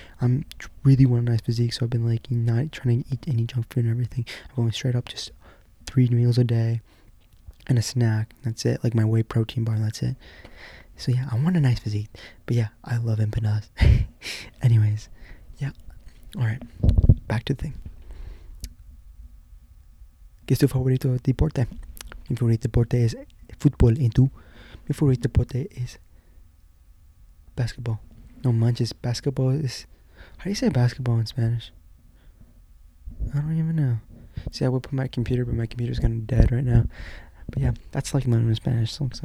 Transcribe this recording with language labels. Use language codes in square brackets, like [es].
[en] I'm really want a nice physique, so I've been like not trying to eat any junk food and everything. I'm going straight up just 3 meals a day and a snack. That's it. Like my whey protein bar, that's it. So yeah, I want a nice physique. But yeah, I love empanadas. Anyways, yeah. Alright, back to the thing. [es] ¿Qué es tu favorito deporte? Mi favorito deporte es fútbol. ¿Y tú? Mi favorito deporte es basketball. No manches, [en] basketball is... How do you say basketball in Spanish? I don't even know. See, I would put my computer, but my computer's kind of dead right now. But yeah, that's like learning Spanish.